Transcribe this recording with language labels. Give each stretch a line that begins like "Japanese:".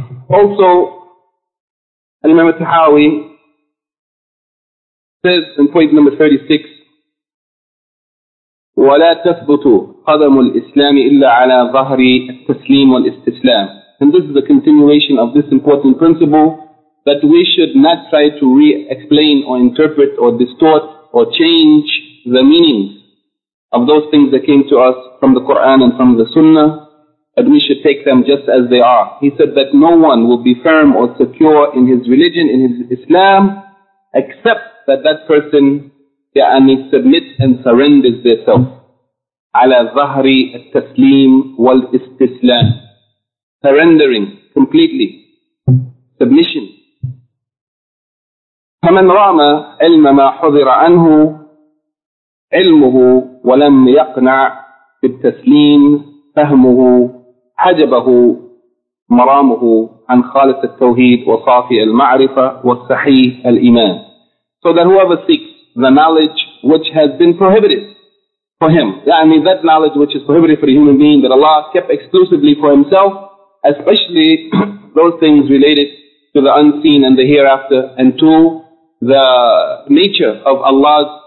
English: Also, Imam At-Tahawi says in point number 36,
Arabic: وَلَا تَثْبُتُ قَدَمُ الْإِسْلَامِ إِلَّا عَلَى ظَهْرِ التَّسْلِيمِ وَالْإِسْتِسْلَامِ.
English: And this is the continuation of this important principle, that we should not try to re-explain or interpret or distort or change the meanings of those things that came to us from the Qur'an and from the Sunnah, that we should take them just as they are. He said that no one will be firm or secure in his religion, in his Islam, except that that person submits and surrenders themselves.
Arabic: عَلَى ظَهْرِ التَّسْلِيمِ وَالْإِسْتِسْلَامِ.
English: Surrendering completely. Submission.
Arabic: فَمَنْ رَامَ عِلْمَ مَا حُذِرَ عَنْهُ عِلْمُهُ وَلَمْ يَقْنَعْ بِالتَّسْلِيمِ فَهْمُهُ حجبه مرامه عن خالص التوحيد وصافي المعرفة والصحيح الإيمان.
English: So that whoever seeks the knowledge which has been prohibited for him, يعني that knowledge which is prohibited for a human being that Allah kept exclusively for himself, especially those things related to the unseen and the hereafter and to the nature of Allah's